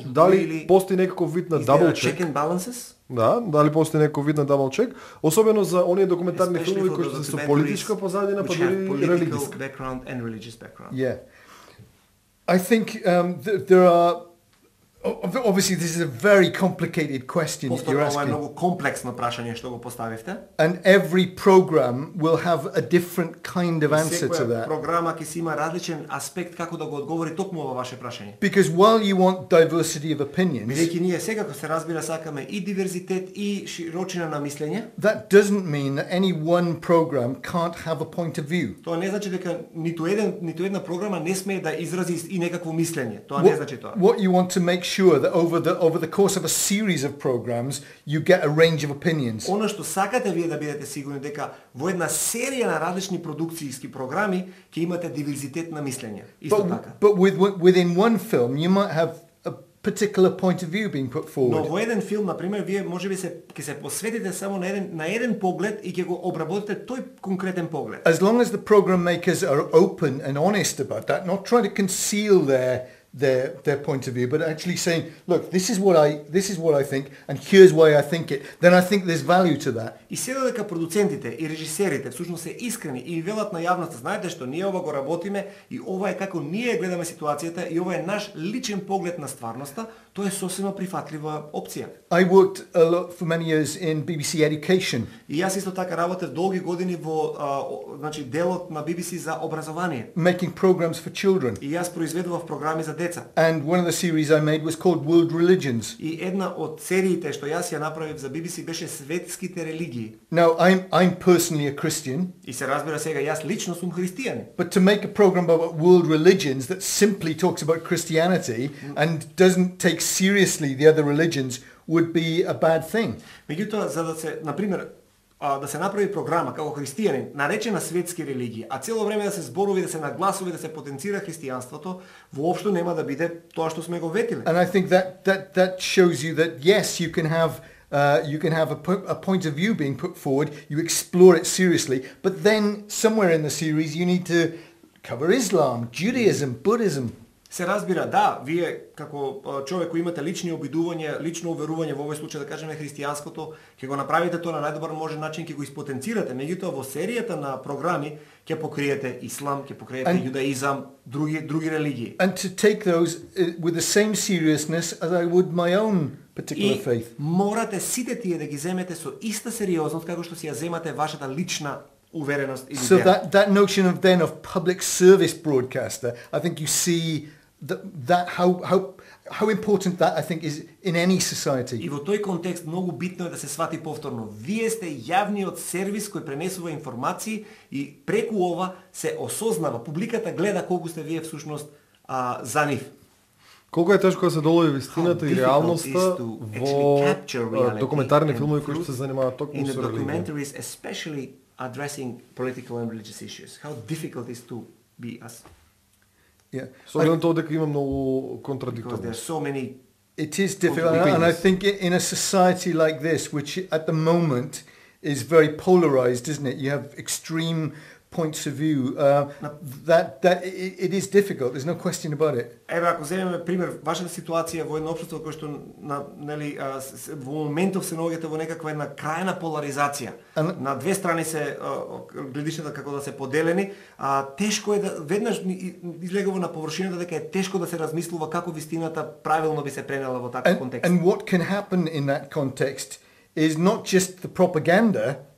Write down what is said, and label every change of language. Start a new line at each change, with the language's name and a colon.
Macedonian: дали постои некаков вид на дабл чек? Да, дали постои некој вид на дабл чек, особено за оние документарни филмови кои што се со политичка позадина, па дори религиска.
English: Background and religious background. Yeah. I think there are obviously this is a very complicated question that you're asking.
Macedonian: Ова е многу комплексно прашање што го поставивте.
English: And every program will have a different kind of answer to that.
Macedonian: Секоја програма ќе има различен аспект како да го одговори токму ова ваше прашање.
English: Because while you want diversity of opinions,
Macedonian: бидејќи ние секако се разбира сакаме и диверзитет и широчина на мислење,
English: that doesn't mean that any one program can't have a point of view.
Macedonian: Тоа не значи дека ниту една програма не смее да изрази и некакво мислење. Тоа не значи тоа.
English: What you want to make sure that over the course of a series of programs you get a range of opinions.
Macedonian: Оно што сакате вие да бидете сигурни дека во една серија на различни продукцијски програми ќе имате диверзитет на мислење. Исто така.
English: But within one film you might have particular point of view being put forward.
Macedonian: Но во еден филм, например, вие може би ќе се посветите само на еден поглед и ќе го обработите тој конкретен поглед.
English: As long as the program makers are open and honest about that, not trying to conceal their point of view, but actually saying, look, this is what I think, and here's why I think it, then I think there's value to that.
Macedonian: И се дека продуцентите и режисерите всушност се искрени и велат на јавноста, знаете што, ние ова го работиме и ова е како ние гледаме ситуацијата и ова е наш личен поглед на стварноста, тоа е сосема прифатлива опција.
English: I worked a lot for many years in BBC Education.
Macedonian: И јас исто така работев долги години во значи делот на BBC за образование.
English: Making programs for children.
Macedonian: И јас произведував програми за деца.
English: And one of the series I made was called World Religions.
Macedonian: И една од сериите што јас ја направив за BBC беше светските религии.
English: Now I'm personally a Christian.
Macedonian: И се разбира сега јас лично сум христијанин.
English: But to make a program about world religions that simply talks about Christianity and doesn't take seriously the other religions would be a bad thing.
Macedonian: Меѓутоа за да се, на пример, да се направи програма како христијанин, наречена светски религија, а цело време да се зборува и да се нагласува и да се потенцира христијанството, воопшто нема да биде тоа што сме го ветиле.
English: And I think that shows you that yes, you can have a point of view being put forward, you explore it seriously, but then somewhere in the series you need to cover Islam, Judaism, Buddhism.
Macedonian: Се разбира, да, вие како човек кој имате лични обидувања, лично уверување во овој случај да кажеме христијанското, ќе го направите тоа на најдобар можен начин, ќе го испотенцирате, меѓутоа во серијата на програми ќе покриете ислам, ќе покриете јудаизам, други религии.
English: And to take those with the same seriousness as I would my own particular faith.
Macedonian: Морате сите тие да ги земете со иста сериозност како што си ја земате вашата лична увереност или вера.
English: So that notion of then of public service broadcaster, I think you see how important that I think is in any society.
Macedonian: И во тој контекст многу битно е да се свати повторно. Вие сте јавниот сервис кој пренесува информации и преку ова се осознава, публиката гледа колку сте вие всушност за нив. Колку е тешко да се долови вистината и реалноста во документарни филмови кои што се занимаваат токму со
English: documentaries, especially addressing political and religious issues. How difficult is to be us? Yeah.
Macedonian: Со оглед на тоа дека има многу контрадикторност.
English: There are so many. It is difficult, and I think in a society like this, which at the moment is very polarized, isn't it? You have extreme points of view. That it is difficult. There's no question about it.
Macedonian: Еве, ако земеме пример, вашата ситуација во едно општество кое што во моментов се наоѓате во некаква една крајна поларизација. На две страни се гледишата како да се поделени, а тешко е да веднаш излегува на површината дека е тешко да се размислува како вистината правилно би се пренела во таков контекст.
English: And what can happen in that context is not just the propaganda.